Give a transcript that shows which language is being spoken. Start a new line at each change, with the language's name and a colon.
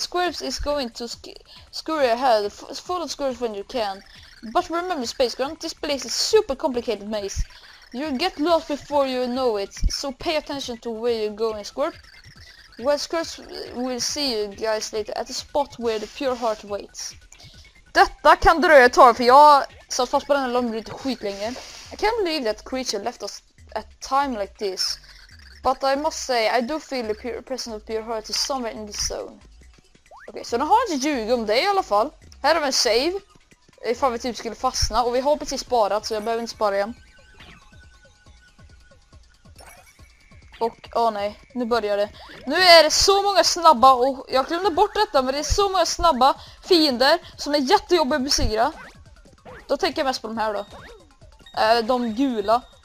English: Squirps is going to scurry ahead. Follow Squirps when you can. But remember Space Grunt, this place is a super complicated maze. You'll get lost before you know it. So pay attention to where you're going, Squirp. Well, Squirps will see you guys later at the spot where the pure heart waits.
Swedish: Detta kan dröja ett tag, för jag satt fast på den här lången lite skitlänge.
English: I can't believe that creature left us at a time like this. But I must say, I do feel the pure presence of pure heart is somewhere in this zone.
Swedish: Okej, okay, så nu har jag inte ljugit om det i alla fall. Här har vi en save. Ifall vi typ skulle fastna. Och vi har precis sparat, så jag behöver inte spara igen. Och, åh nej, nu börjar det. Nu är det så många snabba, och jag glömde bort detta, men det är så många snabba fiender som är jättejobbiga att besegra. Då tänker jag mest på de här då. De gula.